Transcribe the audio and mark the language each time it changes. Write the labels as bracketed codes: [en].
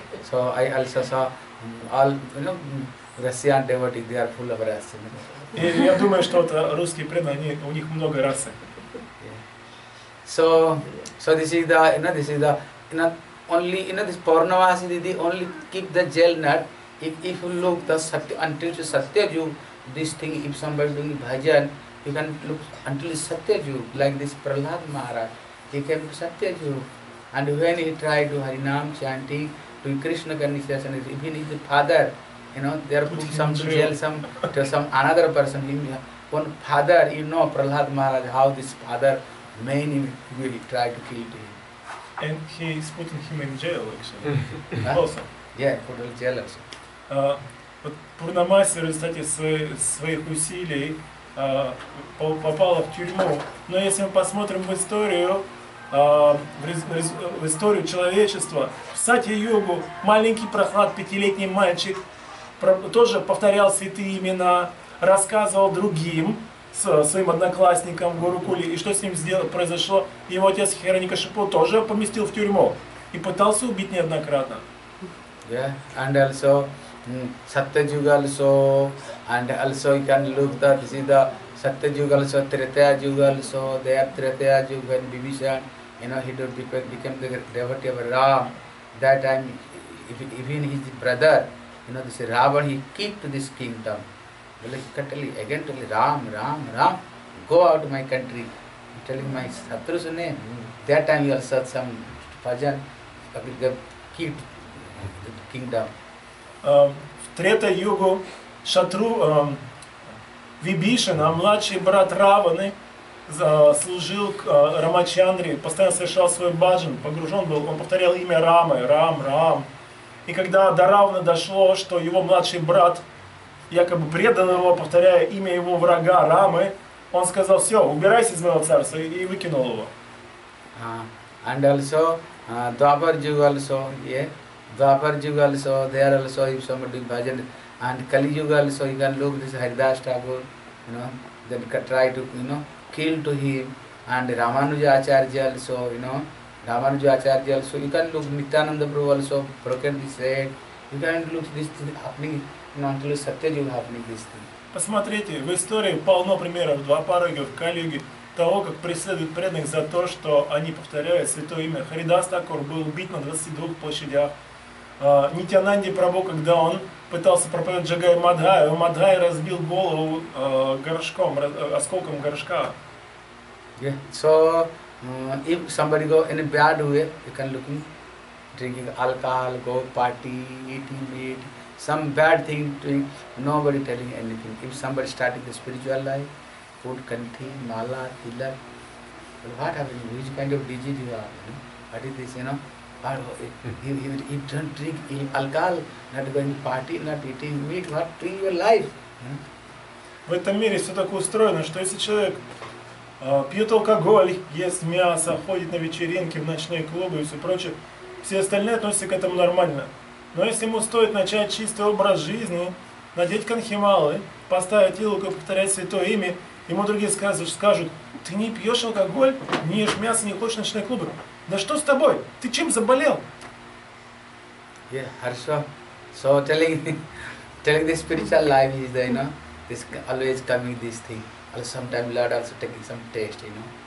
[en] So I also saw all, you know, Russian devotees, they are full of ras. [ru] И я думаю, что это русские преданные, у них много расы. [en] So this is the, you know, this is the, only, you know, this Purnavasi Didi only keep the gel nut. If you look the satya, until the satya ju, this thing, if somebody doing bhajan, you can look until the satya ju, like this Prahlad Maharaj, he came to satya ju. And when he tried to harinam chanting, to Krishna consciousness, even his father, you know, they are put some to jail, some another person. One father, you know, Prahlad Maharaj, how this father many will try to kill him. And he is putting him in jail, actually. Also. Yeah, put him in jail also. [ru] But Пурнамаси, в результате своих усилий, попала в тюрьму. Но если мы посмотрим в историю, в историю человечества, в Сатья-йогу, маленький Прахлад, пятилетний мальчик, тоже повторял святые имена, рассказывал другим, своим одноклассникам в Гурукуле, и что с ним произошло. Его отец Хираньякашипу тоже поместил в тюрьму и пытался убить неоднократно. [en] Yeah, and also Satyayuga also, and also you can look that this is the Satyayuga also, Tretayayuga also, they are Tretayayuga and Vibhishan, you know, he became the devotee of Ram. That time, even his brother, you know, this Ravan, he kept this kingdom. He was totally, again, totally, Ram, go out of my country. He telling my Satru's name. That time you also had some bhajan, keep the kingdom. [ru] В Трета-югу Шатру Вибишана, младший брат Раваны, служил Рамачандре, постоянно совершал свой баджан, погружен был, он повторял имя Рамы, Рам. И когда до Равана дошло, что его младший брат, якобы предан его, повторяя имя его врага Рамы, он сказал, все, убирайся из моего царства, и выкинул его. [en] And also, Двапар-юг also, yeah. Dwapar-yuga also, there also if somebody doing bhajan, and Kali-yuga also, you can look this Haridas Thakur, you know, then try to, you know, kill to him, and Ramanuja Acharya also, you know, Ramanuja Acharya also, you can look Nityananda Prabhu also, broken his head, you can look this thing happening, you know, until Satya-yuga happening this thing. [ru] Посмотрите, в истории полно примеров Двапар-юги, в Кали-юге, того, как преследуют преданных за то, что они повторяют святое имя. Харидас Такур был убит на 22 площадях. Нитянанди Прабху, когда он пытался проповедовать Джагай Мадхай, у Мадхай разбил голову горшком, осколком горшка. [en] Yeah. So, if somebody go in a bad way, you can look in, drinking alcohol, go party, eating meat, some bad thing doing, nobody telling anything. If somebody starting the spiritual life, food, kanthi, mala, tila, what happens, which kind of disease you are, no? What is this, you know? He don't drink alcohol, not going to party, not eating meat, not doing your life. [ru] В этом мире все так устроено, что если человек пьет алкоголь, ест мясо, ходит на вечеринки, в ночные клубы и все прочее, все остальные относятся к этому нормально. Но если ему стоит начать чистый образ жизни, надеть канхималы, поставить илоку и повторять святое имя, ему другие скажут, ты не пьешь алкоголь, не ешь мясо, не хочешь ночные клубы. Да что с тобой? Ты чем заболел? Yeah, хорошо. [en] So telling the spiritual life is, you know, this always coming this thing. Also sometimes Lord also taking some taste, you know.